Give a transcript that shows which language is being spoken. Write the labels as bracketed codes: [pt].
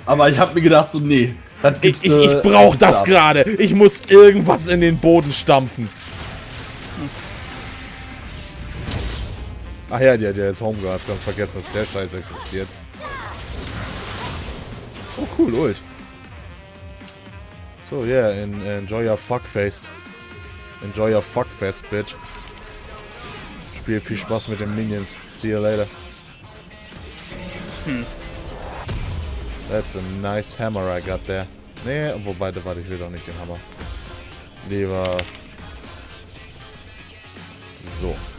[de] Aber ich habe mir gedacht, so, nee. Das gibt's, ich brauche das gerade. Ich muss irgendwas in den Boden stampfen. Ach ja, der ist Homeguards. Ganz vergessen, dass der Scheiß existiert. [en] Oh, cool, Ult. So, yeah, enjoy your fuckfaced. Enjoy your fuckfest, bitch. [de] Spiel viel Spaß mit den Minions. [en] See you later. That's a nice hammer I got there. [de] Nee, wobei, da warte ich wieder nicht den Hammer. Lieber. So.